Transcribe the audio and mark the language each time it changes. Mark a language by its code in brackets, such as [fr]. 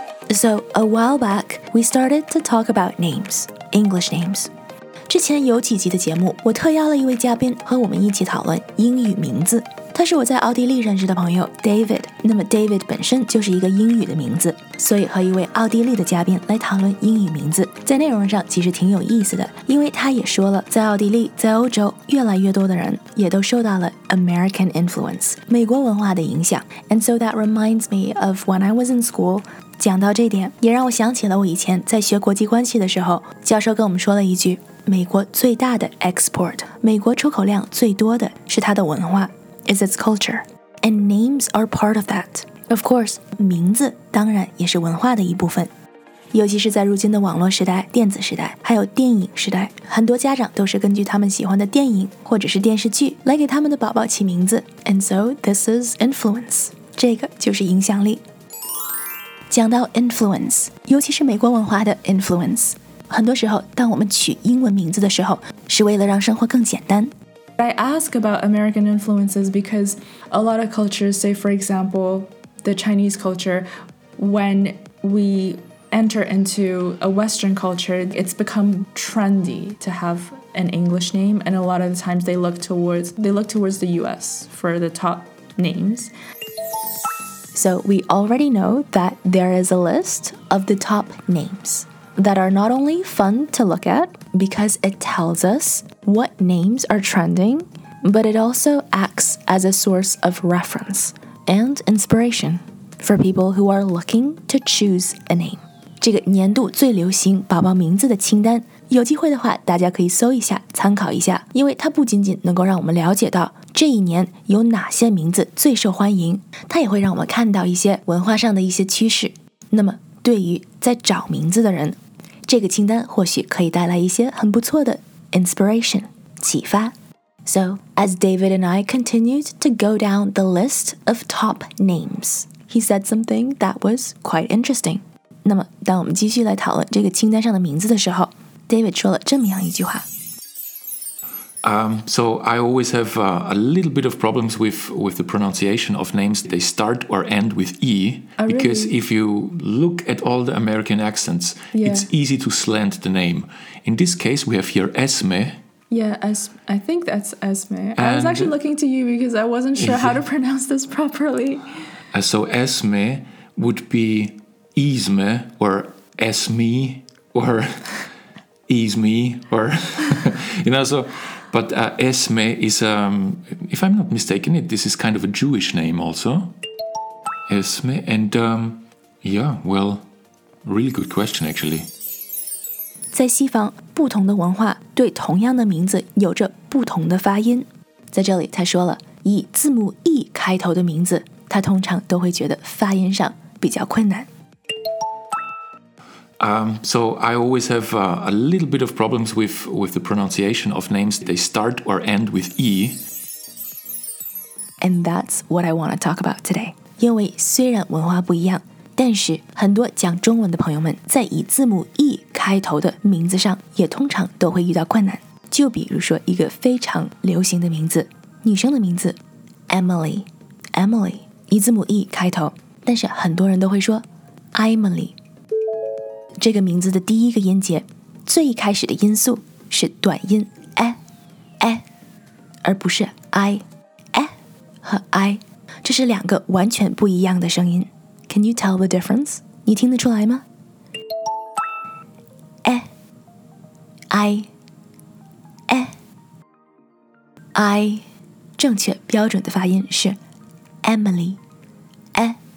[en] So a while back, we started to talk about names, English names. [zh] 之前有几集的节目，我特邀了一位嘉宾和我们一起讨论英语名字。他是我在奥地利认识的朋友 David， 那么 David 本身就是一个英语的名字，所以和一位奥地利的嘉宾来讨论英语名字，在内容上其实挺有意思的，因为他也说了，在奥地利，在欧洲，越来越多的人也都受到了 [en] American influence， [zh] 美国文化的影响。 [en] And so that reminds me of when I was in school， [zh] 讲到这点，也让我想起了我以前在学国际关系的时候，教授跟我们说了一句，美国最大的 export， 美国出口量最多的是它的文化， [en] is its culture. And names are part of that. Of course, [zh] 名字当然也是文化的一部分。尤其是在如今的网络时代、电子时代、还有电影时代，很多家长都是根据他们喜欢的电影或者是电视剧来给他们的宝宝起名字。 [en] And so this is influence. [zh] 这个就是影响力。讲到 influence, 尤其是美国文化的 influence, 很多时候当我们取英文名字的时候是为了让生活更简单。 [en] I ask about American influences because a lot of cultures, say for example, the Chinese culture, when we enter into a Western culture, it's become trendy to have an English name, and a lot of the times they look towards the US for the top names. So we already know that there is a list of the top names that are not only fun to look at because it tells us,what names are trending, but it also acts as a source of reference and inspiration for people who are looking to choose a name. [zh] 这个年度最流行宝宝名字的清单，有机会的话大家可以搜一下，参考一下，因为它不仅仅能够让我们了解到这一年有哪些名字最受欢迎，它也会让我们看到一些文化上的一些趋势。那么对于在找名字的人，这个清单或许可以带来一些很不错的inspiration, 启发。 [en] So, as David and I continued to go down the list of top names, he said something that was quite interesting. [zh] 那么当我们继续来讨论这个清单上的名字的时候， David 说了这么样一句话。 [en] So I always have a little bit of problems with the pronunciation of names. They start or end with E. Oh, because really? If you look at all the American accents, yeah. It's easy to slant the name. In this case, we have here Esme. Yeah, I think that's Esme. And I was actually looking to you because I wasn't sure how to pronounce this properly. So Esme would be Esme or Esme or Esme or, you know, so... But Esme is, if I'm not mistaken, this is kind of a Jewish name also. Esme, and yeah, well, really good question, actually. [zh] 在西方，不同的文化对同样的名字有着不同的发音。在这里，他说了，以字母 E 开头的名字，他通常都会觉得发音上比较困难。 [en] So I always have a little bit of problems with the pronunciation of names. They start or end with E. And that's what I want to talk about today. [zh] 因为虽然文化不一样，但是很多讲中文的朋友们在以字母 E 开头的名字上也通常都会遇到困难。就比如说一个非常流行的名字，女生的名字 Emily. Emily, 以字母 E 开头，但是很多人都会说 Emily. 这个名字的第一个音节最开始的音素是短音 e, e, 而不是 i, e 和 i, 这是两个完全不一样的声音。 [en] Can you tell the difference? [zh] 你听得出来吗？ e, i, e, i, 正确标准的发音是 Emily, e.